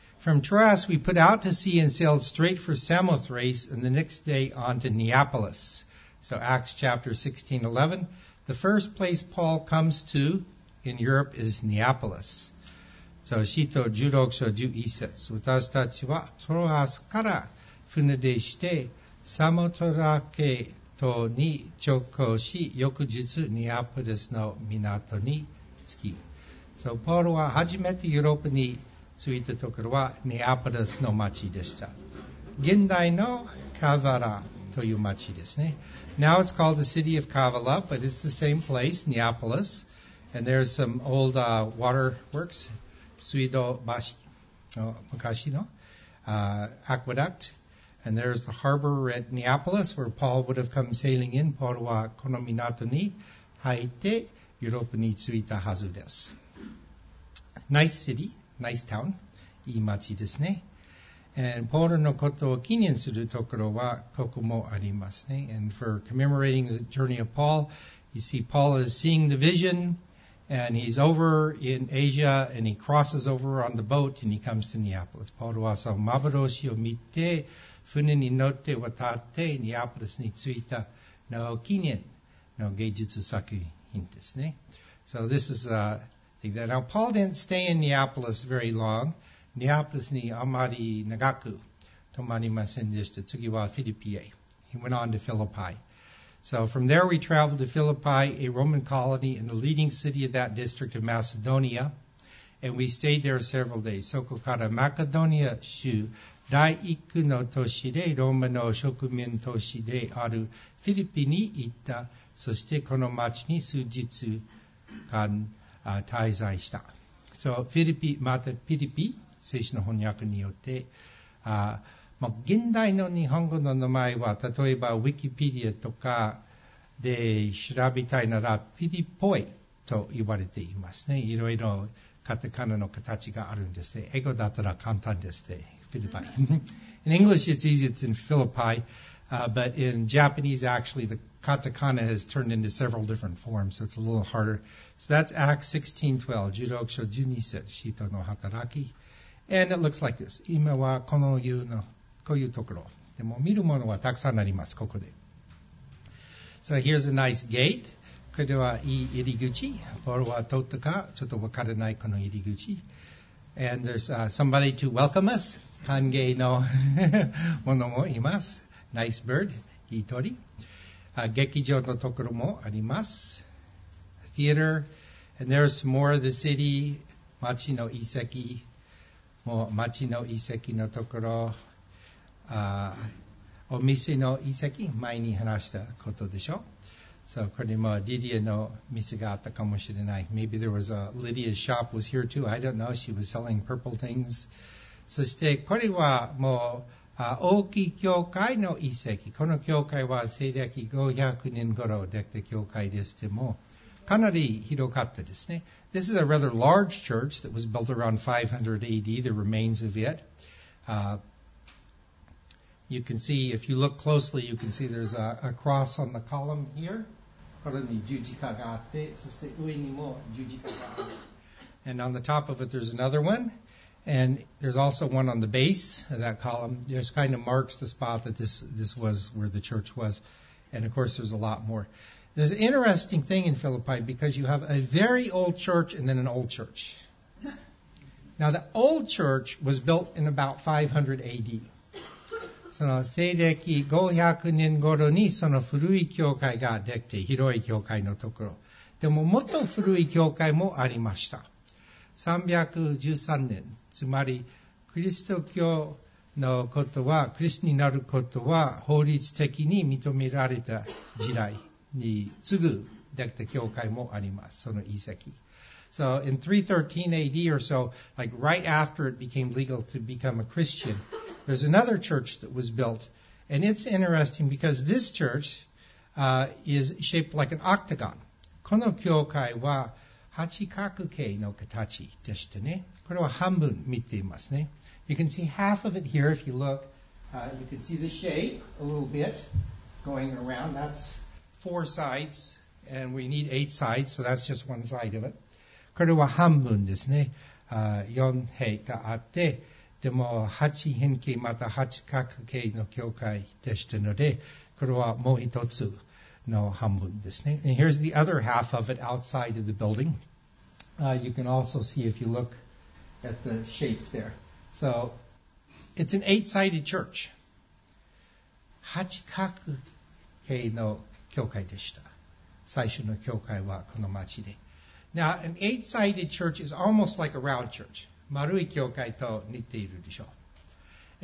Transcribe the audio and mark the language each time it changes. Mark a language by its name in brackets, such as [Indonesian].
[English] From Troas, we put out to sea and sailed straight for Samothrace, and the next day on to Neapolis. So Acts chapter 16:11. The first place Paul comes to in Europe is Neapolis. [Japanese] So, 使徒16章11節。私たちはトロアスから船でして、サモトラケ島に直行し、翌日ニアポリスの港に着き。 So, ポールは初めてヨーロッパに着いたところはニアポリスの町でした。現代のカヴァラという町ですね。 [English] Now it's called the city of Kavala, but it's the same place, Neapolis. And there's some old waterworks, [Japanese] 水道橋、昔の [English] aqueduct. And there's the harbor at Neapolis, where Paul would have come sailing in. [Japanese] ポールはこの港に入ってヨーロッパに着いたはずです。 [English] Nice city, nice town, [Japanese] いい町ですね。And Paul のことを記念するところはここもありますね。 [English] And for commemorating the journey of Paul, you see Paul is seeing the vision, and he's over in Asia, and he crosses over on the boat, and he comes to Neapolis. [Japanese] Paul はその幻を見て、船に乗って渡って、ニアポリスに着いたの記念の芸術作品ですね。 [English] So this is a thing that... Now, Paul didn't stay in Neapolis very long. [Japanese] ニアポリスにあまり長く泊まりませんでした。次はフィリピへ。 [English] He went on to Philippi. So from there we traveled to Philippi, a Roman colony in the leading city of that district of Macedonia. And we stayed there several days. [Japanese] そこからマカドニア州第一の都市で、ローマの植民都市であるフィリピに行った。そしてこの町に数日間滞在した。 So フィリピ、またフィリピ。聖書の翻訳によって、まあ、現代の日本語の名前は、例えばウィキペディアとかで調べたいなら、フィリポイと言われていますね。いろいろカタカナの形があるんですね。英語だったら簡単ですね。 [English] フィリパイ。In English, it's easy. It's in Philippi. But in Japanese, actually, the katakana has turned into several different forms, so it's a little harder. So that's Acts 16:12. [Japanese] 16章12節、人の働き。 [English] And it looks like this. [Japanese] 今はこのようなこういうところ。でも見るものはたくさんあります。ここで。 [English] So here's a nice gate. [Japanese] これはいい入り口。ポールは通ったかちょっとわからないこの入り口。 [English] And there's somebody to welcome us. [Japanese] 歓迎のものもいます。 [English] Nice bird. [Japanese] いい鳥。劇場のところもあります。 [English] Theater. And there's more of the city. [Japanese] 町の遺跡。もう町の遺跡のところ、お店の遺跡、前に話したことでしょ。 So, これもリディアの店があったかもしれない。 [English] Maybe there was a Lydia's shop was here too. I don't know. She was selling purple things. [Japanese] そしてこれはもう大きい教会の遺跡。この教会は西暦500年頃できた教会です。でもかなり広かったですね。 [English] This is a rather large church that was built around 500 AD, the remains of it. You can see, if you look closely, you can see there's a cross on the column here. [Japanese] これに十字架があって、そして上にも十字架があって。 [English] And on the top of it, there's another one. And there's also one on the base of that column. It just kind of marks the spot that this was where the church was. And of course, there's a lot more. There's an interesting thing in Philippi because you have a very old church and then an old church. Now, the old church was built in about 500 AD. [Japanese] その西暦500年頃にその古い教会ができて、広い教会のところ。でも、もっと古い教会もありました。313年、つまり、キリスト教のことは、クリスチャンになることは法律的に認められた時代。に次ぐできた教会もあります。その遺跡。 [English] So in 313 AD or so, like right after it became legal to become a Christian, there's another church that was built. And it's interesting because this church, is shaped like an octagon. [Japanese] この教会は八角形の形でしたね。これは半分見ていますね。 [English] You can see half of it here if you look. You can see the shape a little bit going around. That's... Four sides, and we need eight sides, so that's just one side of it. [Japanese] これは半分ですね。四辺があって、でも八辺形また八角形の教会でしたので、これはもう一つの半分ですね。 [English] And here's the other half of it outside of the building. You can also see if you look at the shape there. So, it's an eight-sided church. [Japanese] 八角形の教会でした。最初の教会はこの町で。 [English] Now, an eight-sided church is almost like a round church. [Japanese] 丸い教会と似ているでしょう。